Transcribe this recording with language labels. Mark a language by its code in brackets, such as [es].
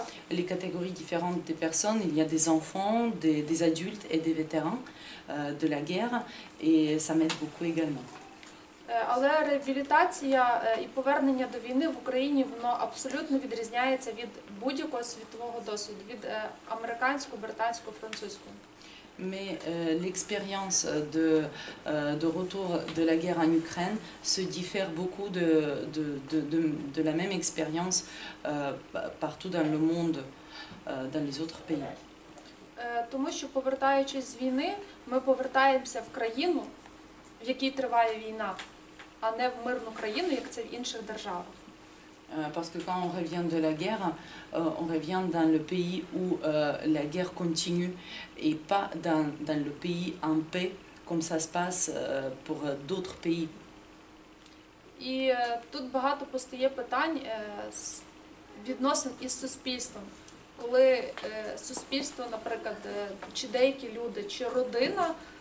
[fr] Les catégories différentes des personnes, il y a des enfants, des adultes et des vétérans de la guerre et ça m'aide beaucoup également. [uk] Але реабілітація і повернення до війни в Україні, воно абсолютно відрізняється від будь-якого світового досвіду, від американського, британського, французького. [fr] Mais l'expérience de retour de la guerre en Ukraine se diffère beaucoup de la même expérience partout dans le monde, dans les autres pays. [uk] Тому що повертаючись з війни, ми повертаємося в країну, в якій триває війна, а не в мирну країну, як це в інших державах. [fr] Parce que quand on revient de la guerre, on revient dans le pays où la guerre continue et pas dans le pays en paix, comme ça se passe pour d'autres pays. [uk] І тут багато постає питань відносин із суспільством. Коли суспільство, наприклад, чи деякі люди, чи родина